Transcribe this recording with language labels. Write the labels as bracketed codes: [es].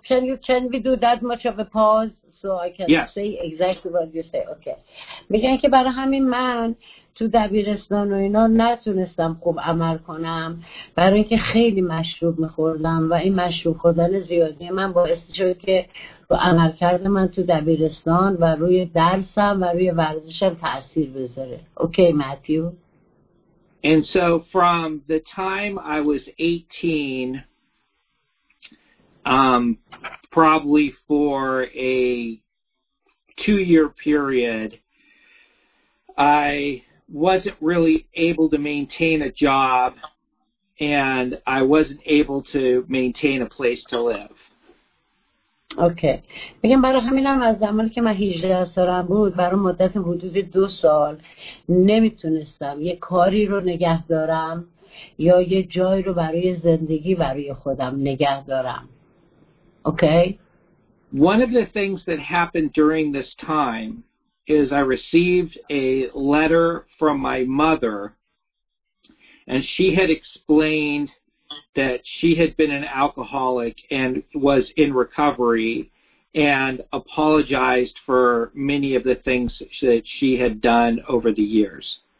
[en] Can we do that much of a pause so I can say exactly what you say? Okay. [fa] میگن که برای همین من تو دبیرستان و اینا نتونستم خوب عمل کنم، برای اینکه خیلی مشروب میخوردم و این مشروب خوردن زیادی من باعث شد که و عمل کرده من تو دبیرستان و روی درسم و روی ورزشم تأثیر بذاره. [en] Okay Matthew. And so from the time I was 18, probably for a 2-year period, I wasn't really able to maintain a job, and I wasn't able to maintain a place to live. Okay. [fa] بگم برای همینم از زمانی که من 18 سالم بود برای مدت حدود 2 سال نمیتونستم یه کاری رو نگه دارم یا یه جای رو برای زندگی برای خودم نگه دارم. [en] Okay? One of the things that happened during this time is I received a letter from my mother, and she had explained that she had been an alcoholic and was in recovery and apologized for many of the things that she had done over the years.